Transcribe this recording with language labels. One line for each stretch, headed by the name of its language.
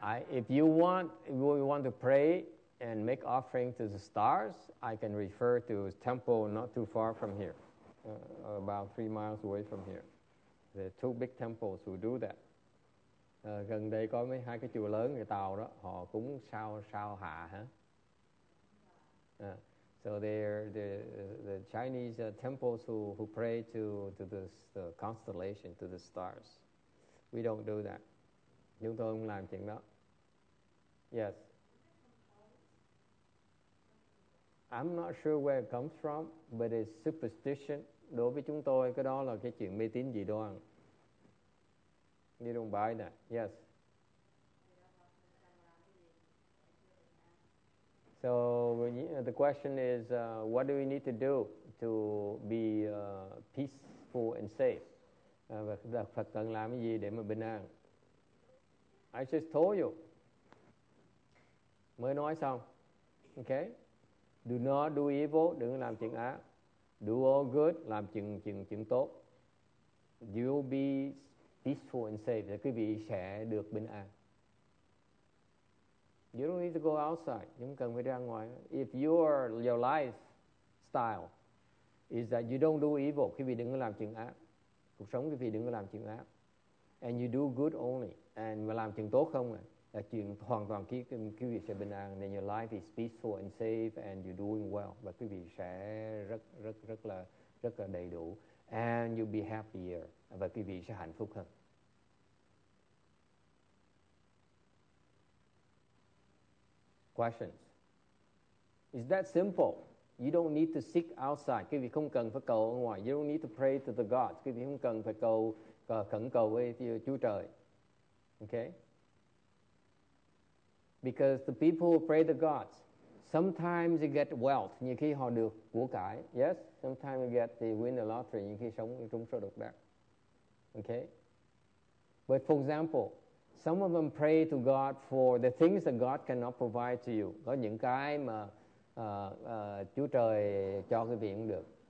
English: If you want to pray and make offering to the stars, I can refer to a temple not too far from here, about 3 miles away from here. The two big temples who do that.
Vietnamese: Gần đây có mấy hai cái chùa lớn người Tàu đó, họ cúng sao hạ hả?
English: So they're the Chinese temples who pray to the constellation, to the stars. We don't do that.
Vietnamese: Chúng tôi không làm chuyện đó.
English: Yes. I'm not sure where it comes from, but it's superstition.
Vietnamese: Đối với chúng tôi, cái đó là cái chuyện mê tín dị đoan.
English: You don't buy that. Yes. So the question is, what do we need to do to be peaceful and safe?
Vietnamese: Phật cần làm cái gì để mà bình an?
English: I just told you.
Vietnamese: Mới nói xong.
English: Okay. Do not do evil.
Vietnamese: Đừng làm chuyện ác.
English: Do all good.
Vietnamese: Làm chuyện tốt.
English: You'll be peaceful and safe.
Vietnamese: Thì quý vị sẽ được bình an.
English: You don't need to go outside.
Vietnamese: Không cần phải ra ngoài.
English: If your lifestyle is that you don't do evil,
Vietnamese: quý vị đừng làm chuyện ác. Cuộc sống quý vị đừng làm chuyện ác.
English: And you do good only.
Vietnamese: And mà làm chuyện tốt không là chuyện hoàn toàn quý vị sẽ bình an.
English: Then your life is peaceful and safe and you're doing well.
Vietnamese: Và quý vị sẽ rất là đầy đủ.
English: And you'll be happier.
Vietnamese: Và quý vị sẽ hạnh phúc hơn.
English: Questions? Is that simple? You don't need to seek outside.
Vietnamese: Quý vị không cần phải cầu ở ngoài.
English: You don't need to pray to the gods.
Vietnamese: Quý vị không cần phải khẩn cầu với Chúa Trời.
English: Okay? Because the people who pray the gods, sometimes they get wealth.
Vietnamese: Nhiều khi họ được của cải. Yes?
English: Sometimes they win the lottery.
Vietnamese: Nhiều khi sống trúng số độc đắc.
English: Okay? But for example, some of them pray to God for the things that God cannot provide to you.
Vietnamese: Có những cái mà Chúa Trời cho cái việc cũng được.